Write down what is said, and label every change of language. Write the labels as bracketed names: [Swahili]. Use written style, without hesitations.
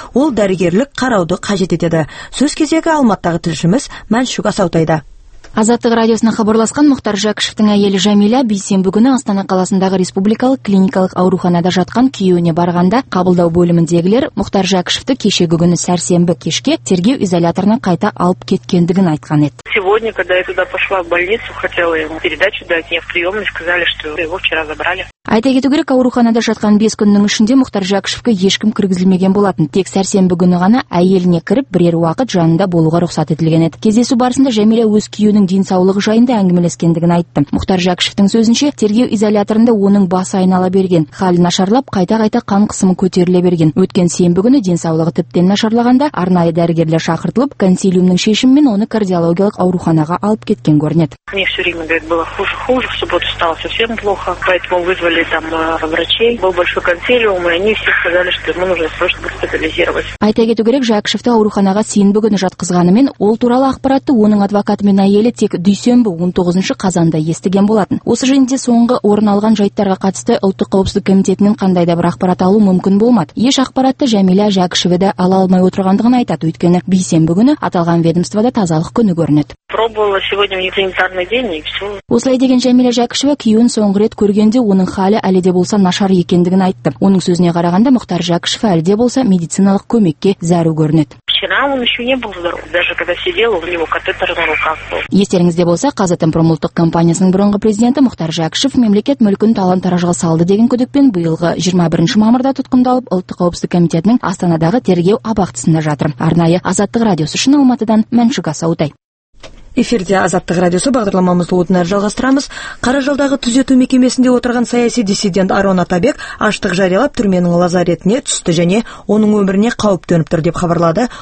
[Kazakh] Ол дәрігерлік қарауды қажет етеді. Сөз кезегі Алматыдағы тілшіміз Мәншүк Асаутайда. Азаттық радиосына хабарласқан Мұхтар Жәкішевтің әйелі Жәмила бейсенбі күні Астана қаласындағы республикалық клиникалық ауруханада жатқан күйеуіне барғанда қабылдау бөліміндегілер Мұхтар Жәкішевті кешегі күні сәрсенбі кешке тергеу изоляторына қайта алып кеткендігін айтқан еді. [Russian] Сегодня, когда я туда пошла в больницу, хотела ему передачу дать, мне в приемной сказали, что его вчера забрали. [Kazakh] Айта кету керек, ауруханада жатқан 5 күннің ішінде Мұхтар Жәкішевке ешкім кіргізілмеген болатын. Тек сәрсенбі күні ғана әйеліне кіріп, бірер уақыт жанында болуға рұқсат етілген еді. Кездесу барысында Жәмила өз күйеуінің денсаулығы жайында әңгімелескендігін айтты. Мұхтар Жәкішевтің сөзінше, тергеу изоляторында оның басы айнала берген, халі нашарлап, қайта-қайта қан қысымы көтеріле берген. Өткен сенбі күні денсаулығы тіптен нашарлағанда арнайы дәрігерлер шақыртылып, консилиумның шешімімен оны кардиологиялық ауруханаға алып кеткен көрінеді. [Russian] Мне всё время говорят, было хуже, в субботу стало совсем плохо, поэтому вызвали там врачей, был большой консилиум, и они все сказали, что ему нужно срочно госпитализировать. [Kazakh] Айта кету керек, Жәкішевті ауруханаға сенбі күні жатқызғанымен, ол туралы ақпаратты оның адвокаты мен әйелі тек дүйсенбі 19 қазанда естіген болатын. Осы жерде соңғы орын алған жайттарға қатысты ұлттық қауіпсіздік комитетінен қандай да бір ақпарат алу мүмкін болмады. Еш ақпаратты Жәмила Жәкішева де ала алмай отырғандығын айтады, өйткені бейсенбі күні аталған ведомствода тазалық күні көрінеді. [Russian] Пробовала сегодня в неделю день и все. [Kazakh] Осылай деген Жәмила Жәкішева күйеуін соңғы рет көргенде оның халі әлі де болса нашар екендігін айтты. Оның сөзіне қарағанда Мұхтар Жәкішев әлі де болса медициналық көмекке зәру көрінеді. [Russian] Вчера он еще не был здоров, даже когда сидел, у него катетер на руках был. [Kazakh] Естеріңізде болса, Қазатомпром ұлттық компаниясының бұрынғы президенті Мұхтар Жәкішев мемлекет мүлкін талан-таражға салды деген күдікпен биылғы 21 мамырда тұтқындалып, ұлттық қауіпсіздік комитетінің Астанадағы тергеу абақтысында жатыр. Арнайы Азаттық радиосы үшін Алматыдан Мәншүк Асаутай. Эфирде Азаттық радиосы бағдарламамызды одан әрі жалғастырамыз. Қара жолдағы түзету мекемесінде отырған саяси диссидент Арон Атабек аштық жариялап түрменің лазаретіне түсті және оның өміріне қауіп төніп тұр деп хабарлады.